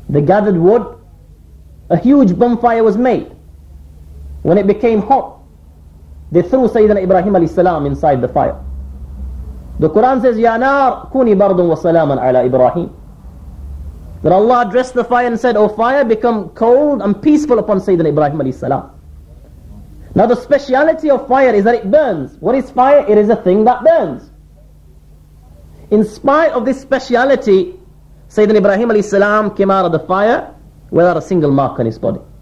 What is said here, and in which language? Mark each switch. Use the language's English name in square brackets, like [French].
[English] They gathered wood, a huge bonfire was made. When it became hot, they threw Sayyidina Ibrahim alayhi salam inside the fire. The Quran says, [Arabic] يَا نَارْ كُونِي بَرْضٌ وَسَلَامًا عَلَىٰ إِبْرَاهِيمٌ. [English] Then Allah addressed the fire and said, O fire, become cold and peaceful upon Sayyidina Ibrahim alayhi salam. Now the speciality of fire is that it burns. What is fire? It is a thing that burns. In spite of this speciality, Sayyidina Ibrahim alayhi salam came out of the fire without a single mark on his body.